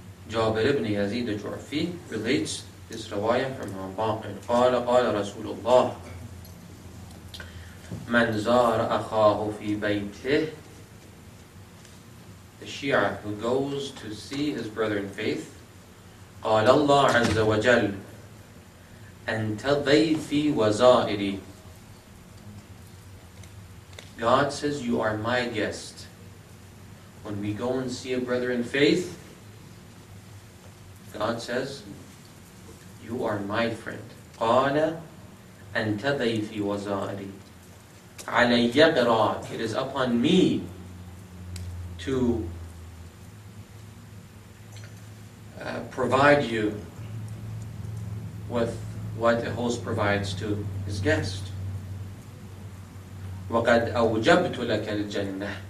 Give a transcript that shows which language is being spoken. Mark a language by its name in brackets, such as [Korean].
[English] جابر بن يزيد الجعفي relates this رواية from Imam Baqir. [Arabic] قال قال رسول الله من زار أخاه في بيته. [English] The Shia who goes to see his brother in faith. [Arabic] قال الله عز وجل أنت ضيفي وزائري. [English] God says, you are my guest. When we go and see a brother in faith, God says, you are my friend. [Arabic] قال أنت ضيفي وزائري علي قراك. [English] It is upon me to provide you with what a host provides to his guest. [Arabic] وَقَدْ أَوْجَبْتُ لَكَ الْجَنَّةِ.